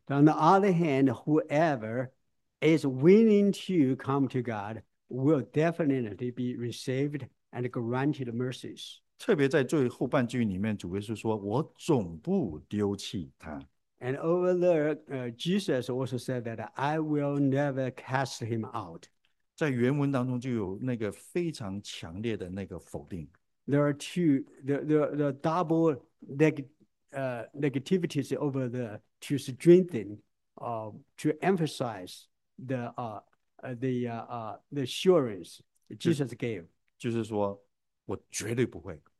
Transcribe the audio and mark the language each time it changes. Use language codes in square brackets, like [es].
[en] On the other hand, whoever is willing to come to God will definitely be received and granted mercies. [zh] 特别在最后半句里面，主耶稣说：“我总不丢弃他。” [en] And over there, Jesus also said that I will never cast him out. [zh] 在原文当中就有那个非常强烈的那个否定。 [en] There are two, the double negativities over there to strengthen, to emphasize the assurance Jesus gave. [zh] 就是说，我绝对不会，